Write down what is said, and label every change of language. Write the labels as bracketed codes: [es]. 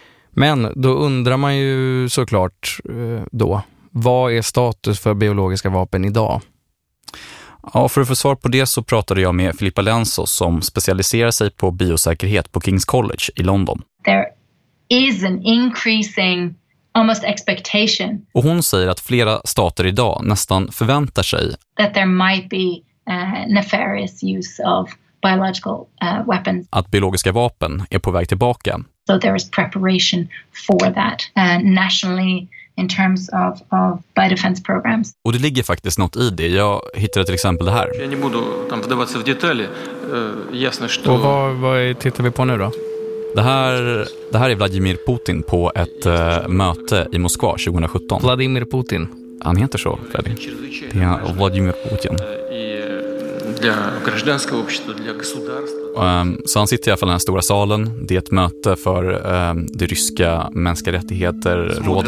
[sv] Men då undrar man ju såklart då, vad är status för biologiska vapen idag? Ja, för att få svar på det så pratade jag med Filippa Lenzo som specialiserar sig på biosäkerhet på King's College i London. [en] There is an increasing almost expectation. [sv] Och hon säger att flera stater idag nästan förväntar sig [en] that there might be nefarious use of biological weapons. [sv] Att biologiska vapen är på väg tillbaka. [en] So there is preparation for that nationally. In terms of biodefense programs. [sv] Och det ligger faktiskt något i det. Jag hittade till exempel det här. [ru] Jag не буду там вдаваться в детали. Ясно, что. [sv] Och vad tittar vi på nu då? Det här är Vladimir Putin på ett möte i Moskva 2017. Vladimir Putin. Han heter så, Vladimir. Det är Vladimir Putin. [ru] Для гражданского общества, для государства. [sv] Så han sitter i alla fall i den stora salen. Det är ett möte för det ryska mänskliga rättigheter-rådet.